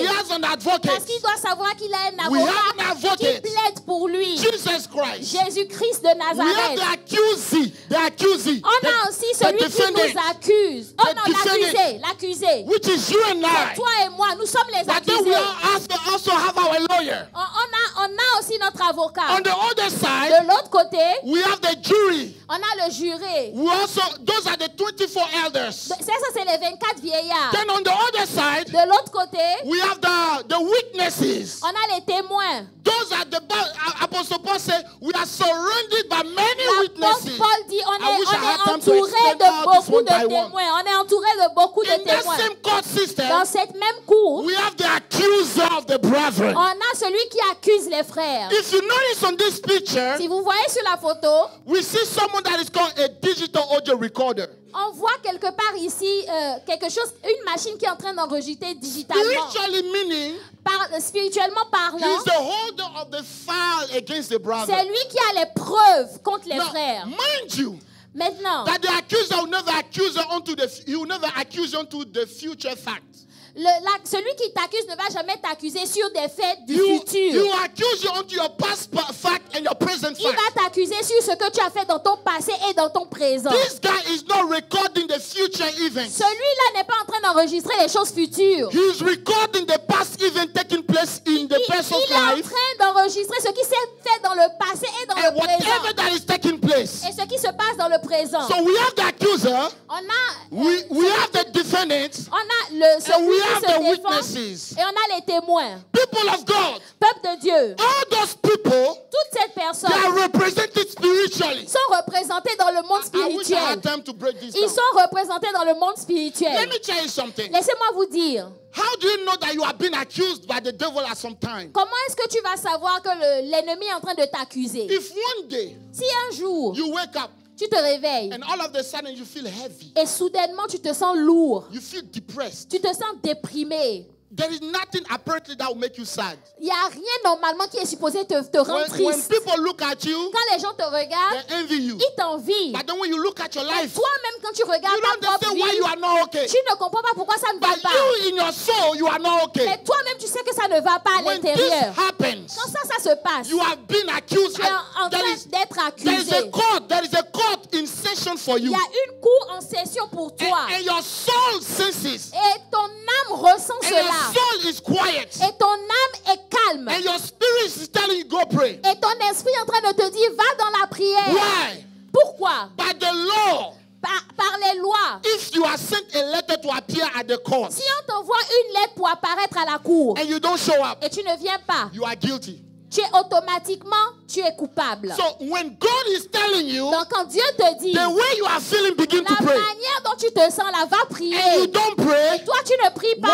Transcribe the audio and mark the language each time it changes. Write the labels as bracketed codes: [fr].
[en] He has an advocate. [fr] Parce qu'il doit savoir qu'il a un avocat. [en] We have an advocate. [fr] Qui plaide pour lui. [en] Jesus Christ. [fr] Jésus-Christ de Nazareth. [en] We have the accusé. [fr] On a aussi celui qui nous accuse. Oh non, l'accusé. [en] Which is you and I. [fr] C'est toi et moi, nous sommes les accusés. [en] But then we are also have our lawyer. [fr] On a aussi notre avocat. [en] On the other side, [fr] de l'autre côté, [en] we have the jury. [fr] On a le juré. [en] We also, those are the 24 elders. [fr] Ça c'est les 24 vieillards. [en] Then on the other side, [fr] de l'autre côté, [en] we have the witnesses. [fr] On a les témoins. [en] Those are the apostle Paul said, we are surrounded by many witnesses. [fr] L'apôtre Paul dit, on est entouré de beaucoup de témoins. [en] In the same court system, [fr] dans cette même cour, [en] we have the accuser of the brethren. [fr] On a celui qui accuse les frères. [en] If you notice on this picture, [fr] si vous voyez sur la photo, [en] we see someone that is called a digital audio recorder. [fr] On voit quelque part ici quelque chose, une machine qui est en train d'enregistrer digitalement. [en] Spiritually meaning, [fr] spirituellement parlant, [en] he's the holder of the file against the brother. [fr] C'est lui qui a les preuves contre les [en] Now, [fr] frères. [en] Mind you, [fr] Maintenant, [en] that the accuser will never accuse unto the he will never accuse unto the future fact. [fr] Celui qui t'accuse ne va jamais t'accuser sur des faits du futur. [en] He will accuse you unto your past fact and your present fact. [fr] Il va t'accuser sur ce que tu as fait dans ton passé et dans ton présent. [en] This guy is not recording the future events. [fr] Celui-là n'est pas en train d'enregistrer les choses futures. [en] He is recording the past event taking place in the person's life. [fr] Il est en train d'enregistrer ce qui s'est fait dans le passé et dans le présent. [en] And whatever that is taking place. [fr] Et ce qui se passe dans le présent. [en] So we have the accuser. [fr] On a. [en] We have the defendant. [fr] On a le. [en] We have the witnesses. [fr] Et on a les témoins. [en] People of God. [fr] Peuple de Dieu. [en] All those people. [fr] Toutes ces personnes. [en] They are represented spiritually. [fr] Sont représentées dans le monde spirituel. [en] I wish I had time to break this down. [fr] Ils sont représentés dans le monde spirituel. [en] Let me tell you something. [fr] Laissez-moi vous dire. [en] How do you know that you are being accused by the devil at some time? [fr] Comment est-ce que tu vas savoir que l'ennemi est en train de t'accuser? [en] If one day. [fr] Si un jour. [en] You wake up. [fr] Tu te réveilles. [en] And all of the sudden you feel heavy. [fr] Et soudainement tu te sens lourd. [en] You feel depressed. [fr] Tu te sens déprimé. [en] There is nothing apparently that will make you sad. [fr] Il y a rien normalement qui est supposé te rendre triste. [en] When people look at you, [fr] quand les gens te regardent, [en] they envy you. [fr] Ils t'envient. [en] But then when you look at your life, [fr] toi-même quand tu regardes [en] you don't understand why you are not okay. [fr] Tu ne comprends pas pourquoi ça ne va [en] but [fr] pas. [en] You in your soul, you are not okay. [fr] Mais toi-même tu sais que ça ne va pas à [en] when [fr] l'intérieur. [en] This happens, [fr] quand ça se passe, [en] you have been accused. [fr] Tu es en train d'être accusé. [en] There is a court in session for you. [fr] Il y a une cour en session pour toi. [en] And your soul senses. [fr] Et ton âme ressent cela. [en] Soul is quiet. [fr] Et ton âme est calme. [en] And your spirit is telling you go pray. [fr] Et ton esprit est en train de te dire va dans la prière. [en] Why? [fr] Pourquoi? [en] By the law. [fr] Par les lois. [en] If you are sent a letter to appear at the court. [fr] Si on t'envoie une lettre pour apparaître à la cour. [en] And you don't show up. [fr] Et tu ne viens pas. [en] You are guilty. [fr] Tu es automatiquement, tu es coupable. [en] So when God is telling you, [fr] donc quand Dieu te dit, [en] the way you are feeling, begin [fr] la [en] to pray. [fr] Manière dont tu te sens là, va prier. [en] And you don't pray, [fr] et toi, tu ne pries pas.